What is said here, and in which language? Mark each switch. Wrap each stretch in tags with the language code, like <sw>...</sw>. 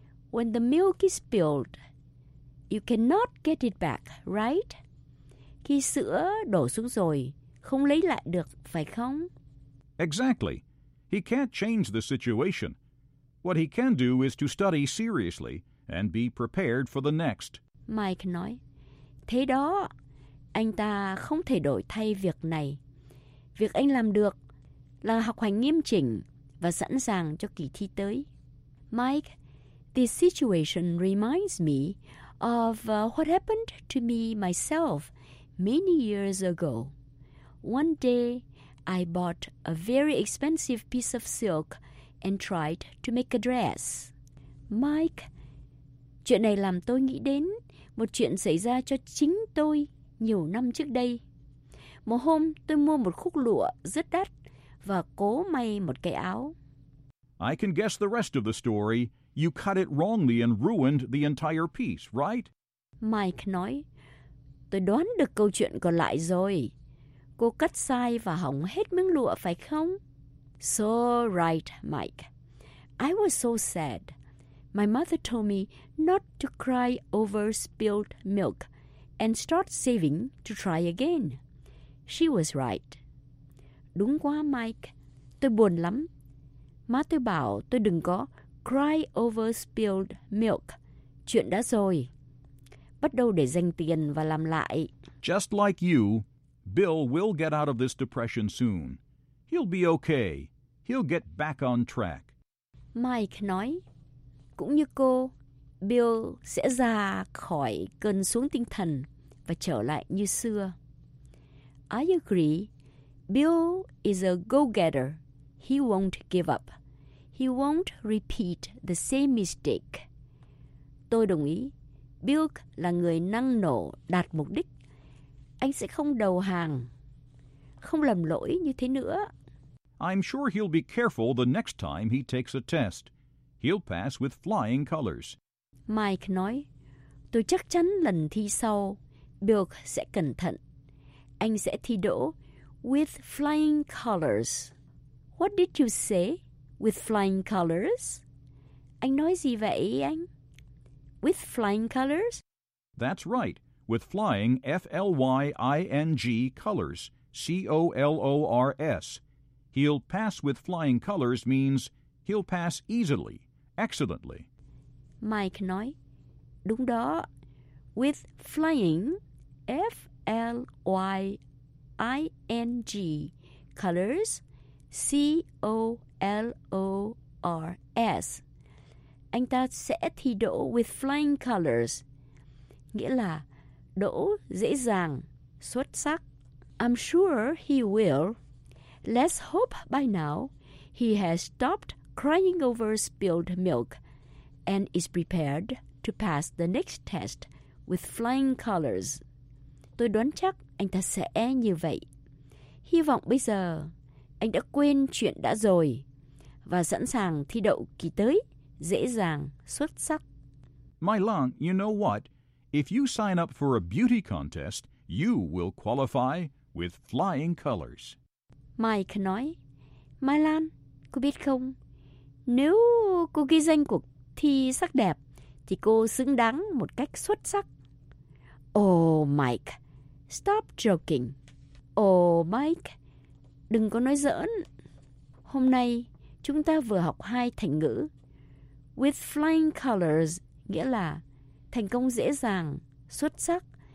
<en>When the milk is spilled, you cannot get it back, right?</en> <vi>Khi sữa đổ xuống rồi, không lấy lại được, phải không?</vi> <en>Exactly. He can't change the situation. What he can do is to study seriously and be prepared for the next.</en> <vi>Mike nói, thế đó, anh ta không thể đổi thay việc này. Việc anh làm được là học hành nghiêm chỉnh và sẵn sàng cho kỳ thi tới.</vi> <en>Mike, this situation reminds me of what happened to me myself many years ago. One day, I bought a very expensive piece of silk and tried to make a dress.</en> <vi>Mike, chuyện này làm tôi nghĩ đến một chuyện xảy ra cho chính tôi nhiều năm trước đây. Một hôm, tôi mua một khúc lụa rất đắt và cố may một cái áo.</vi> <en>I can guess the rest of the story. You cut it wrongly and ruined the entire piece, right?</en> <vi>Mike nói, tôi đoán được câu chuyện còn lại rồi. Cô cắt sai và hỏng hết miếng lụa, phải không?</vi> <en>So right, Mike. I was so sad. My mother told me not to cry over spilled milk and start saving to try again. She was right.</en> <vi>Đúng quá, Mike. Tôi buồn lắm. Má tôi bảo tôi đừng có</vi> <en>cry over spilled milk.</en> <vi>Chuyện đã rồi. Bắt đầu để dành tiền và làm lại.</vi> <en>Just like you, Bill will get out of this depression soon. He'll be okay. He'll get back on track.</en> <vi>Mike nói, cũng như cô, Bill sẽ ra khỏi cơn xuống tinh thần và trở lại như xưa.</vi> <en>I agree. Bill is a go-getter. He won't give up. He won't repeat the same mistake.</en> <vi>Tôi đồng ý. Bill là người năng nổ, đạt mục đích. Anh sẽ không đầu hàng, không lầm lỗi như thế nữa.</vi> <en>I'm sure he'll be careful the next time he takes a test. He'll pass with flying colors.</en> <vi>Mike nói, tôi chắc chắn lần thi sau, Bill sẽ cẩn thận. Anh sẽ thi đỗ</vi> <en>with flying colors. What did you say with flying colors?</en> <vi>Anh nói gì vậy anh?</vi> <en>With flying colors? That's right. With flying, F-L-Y-I-N-G, colors, C-O-L-O-R-S. He'll pass with flying colors means he'll pass easily, excellently.</en> <vi>Mike nói, đúng đó,</vi> <en>with flying, F-L-Y-I-N-G, colors, C-O-L-O-R-S.</en> <vi>Anh ta sẽ thi đỗ</vi> <en>with flying colors,</en> <vi>nghĩa là đỗ dễ dàng, xuất sắc.</vi> <en>I'm sure he will. Let's hope by now he has stopped crying over spilled milk and is prepared to pass the next test with flying colors.</en> <vi>Tôi đoán chắc anh ta sẽ như vậy. Hy vọng bây giờ anh đã quên chuyện đã rồi và sẵn sàng thi đậu kỳ tới dễ dàng, xuất sắc.</vi> <en>My Lang, you know what? If you sign up for a beauty contest, you will qualify with flying colors.</en> <vi>Mike nói, Mai Lan, cô biết không? Nếu cô ghi danh cuộc thi sắc đẹp, thì cô xứng đáng một cách xuất sắc.</vi> <en>Oh, Mike, stop joking. Oh, Mike,</en> <vi>đừng có nói giỡn. Hôm nay, chúng ta vừa học hai thành ngữ.</vi> <en>With flying colors,</en> <vi>nghĩa là thành công dễ dàng, xuất sắc.</vi>